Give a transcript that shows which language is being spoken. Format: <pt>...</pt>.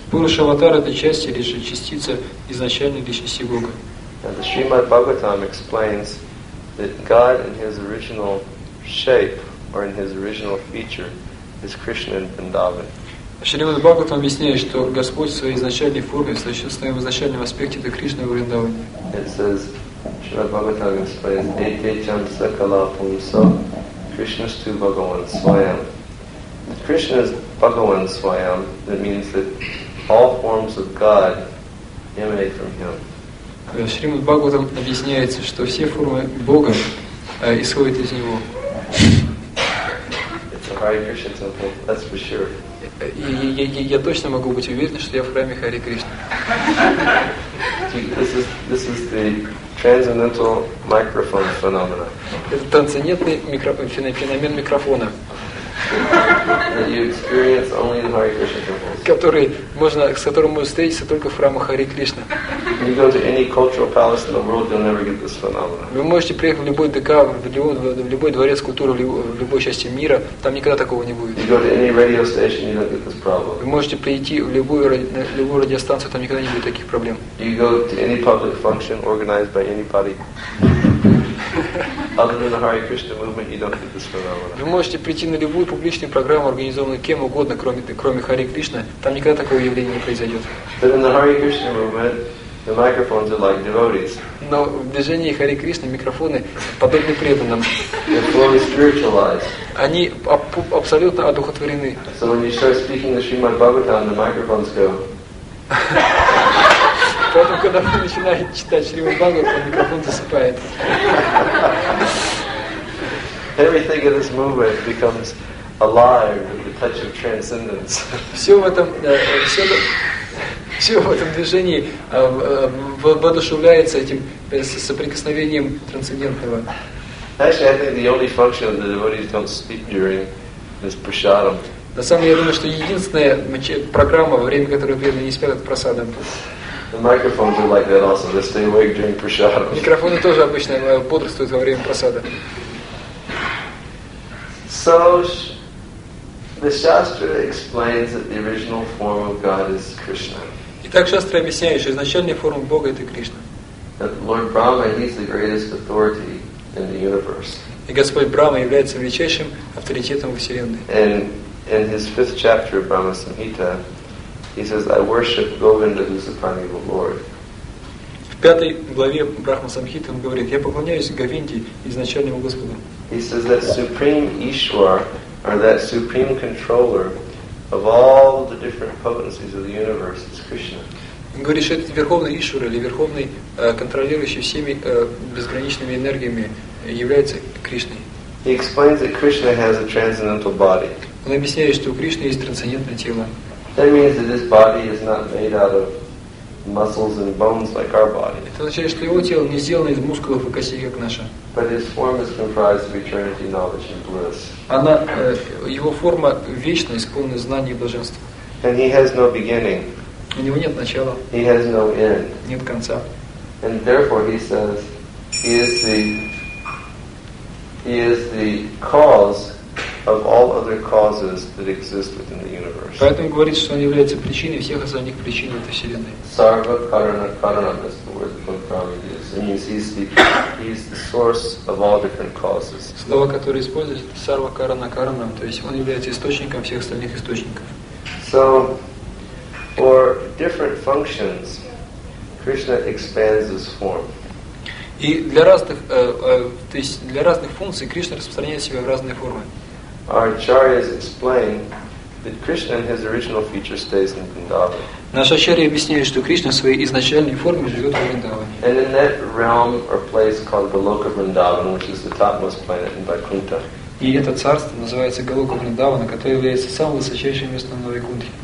<ru>Пуруша аватар — это часть или же частица изначальной личности Бога.</ru> <en>And the Srimad Bhagavatam explains that God in His original shape or in His original feature is Krishna and Vrindavan.</en> <ru>Srimad Bhagavatam объясняет, что Господь в своей изначальной форме, в своем изначальном аспекте — это Кришна и Вриндаван.</ru> <en>It says, Srimad Bhagavatam explains,</en> <sa>Ete cham sakala pumsa, Krishna stu Bhagavan swayam.</sa> <en>Krishna is Bhagavan swayam, that means that all forms of God emanate from Him.</en> <ru>Шримад Бхагаватам объясняется, что все формы Бога исходят из Него.</ru> <en>It's a Hare Krishna temple, that's for sure.</en> <ru>Я точно могу быть уверен, что я в храме Харе Кришна.</ru> <en>This is the transcendental microphone phenomenon.</en> <ru>Это трансцендентный феномен микрофона.</ru> <en>That you experience only in Hare Krishna temples.</en> <ru>С которым можно встретиться только в храмах Харе Кришна.</ru> <en>You go to any cultural palace in the world, you'll never get this phenomenon.</en> <ru>Вы можете приехать в любой ДК, в любой дворец культуры, в любой части мира, там никогда такого не будет.</ru> <en>You go to any radio station, you don't get this problem.</en> <ru>Вы можете прийти в любую радиостанцию, там никогда не будет таких проблем.</ru> <en>You go to any public function organized by anybody. Other than the Hare Krishna movement, you don't get this phenomenon.</en> <ru>Вы можете прийти на любую публичную программу, организованную кем угодно, кроме Харе Кришна, там никогда такого явления не произойдет.</ru> <en>But in the Hare Krishna movement, The microphones are like devotees.</en> <ru>Но в движении Харе Кришна микрофоны подобны преданным.</ru> <en>They're fully spiritualized.</en> <ru>Они абсолютно одухотворены.</ru> <en>So when you start speaking the Srimad Bhagavatam, the microphones go.</en> <ru>Поэтому, когда вы начинаете читать Шримад Бхагаватам, микрофон засыпает.</ru> <en>Everything in this movement becomes alive with the touch of transcendence.</en> <ru>Все в этом движении воодушевляется этим соприкосновением трансцендентного.</ru> <en>Actually, I think the only function of the devotees don't speak during this prasadam.</en> <ru>На самом деле, я думаю, что единственная программа, во время которой преданные не спят, это прасадам.</ru> <en>The microphones are like that also. They stay awake during prasadam.</en> <ru>Микрофоны тоже обычно бодрствуют во время прасада.</ru> <en>So the shastra explains that the original form of God is Krishna.</en> <ru>Итак, шастра объясняет, что изначальная форма Бога это Кришна.</ru> <en>That Lord Brahma, he's the greatest authority in the universe.</en> <ru>И Господь Брама является величайшим авторитетом во вселенной.</ru> <en>And in his fifth chapter of Brahma Samhita, he says, "I worship Govinda, who is the primeval Lord."</en> <ru>В пятой главе Брахма Самхиты он говорит: "Я поклоняюсь Говинде, изначальному Господу."</ru> <en>He says that supreme Ishwar, or that supreme controller of all the different potencies of the universe, is Krishna.</en> <ru>Он говорит, что этот верховный Ишвар или верховный контролирующий всеми безграничными энергиями является Кришной.</ru> <en>He explains that Krishna has a transcendental body.</en> <ru>Он объясняет, что у Кришны есть трансцендентное тело.</ru> <en>That means that this body is not made out of muscles and bones like our body.</en> <ru>Это означает, что его тело не сделано из мускулов и костей, как наше.</ru> <en>But his form is comprised of eternity, knowledge, and bliss.</en> <ru>Она, его форма вечна, исполненная знания и блаженства.</ru> <en>And he has no beginning.</en> <ru>У него нет начала.</ru> <en>He has no end.</en> <ru>Нет конца.</ru> <en>And therefore, he says, he is the cause of all other causes that exist within the universe.</en> <ru>Поэтому говорит, что он является причиной всех остальных причин этой вселенной.</ru> <sa>Sarva karana karana,</sa> <en>that's the word that Lord Brahma uses. And he's the source of all different causes.</en> <ru>Слово, которое используется,</ru> <sa>sarva karana karana,</sa> <ru>то есть он является источником всех остальных источников.</ru> <en>So, for different functions, Krishna expands his form.</en> <ru>И для разных, то есть для разных функций Кришна распространяет себя в разные формы.</ru> <en>Our acharyas explain that Krishna in his original feature stays in Vrindavan.</en> <ru>Наши ачарьи объясняют, что Кришна в своей изначальной форме живет в Вриндаване.</ru> <en>And in that realm or place called Goloka Vrindavan, which is the topmost planet in Vaikuntha.</en> <ru>И это царство называется Голока Вриндавана, которое является самым высочайшим местом на Вайкунте.</ru>